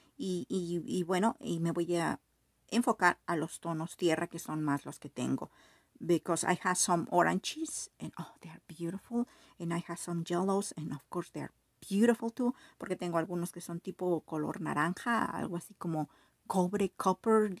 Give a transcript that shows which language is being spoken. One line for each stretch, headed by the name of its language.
Spanish: Y bueno, y me voy a enfocar a los tonos tierra que son más los que tengo.
English: Because I have some oranges and oh, they are beautiful. And I have some yellows and of course they are beautiful too.
Spanish: Porque tengo algunos que son tipo color naranja, algo así como cobre, copper.